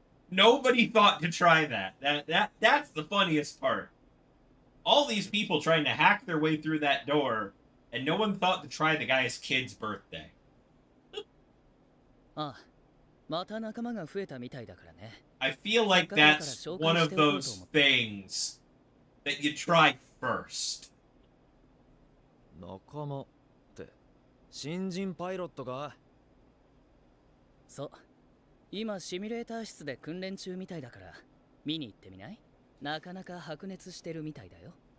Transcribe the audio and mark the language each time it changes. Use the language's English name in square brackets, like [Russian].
[English] Nobody thought to try that. That's the funniest part. All these people trying to hack their way through that door, and no one thought to try the guy's kid's birthday. Ah. [Japanese] また仲間が増えたみたいだからね。 [English] I feel like that's one of those things that you try first. [Japanese] 仲間って新人パイロットが？そう。今シミュレーター室で訓練中みたいだから見に行ってみない？なかなか白熱してるみたいだよ。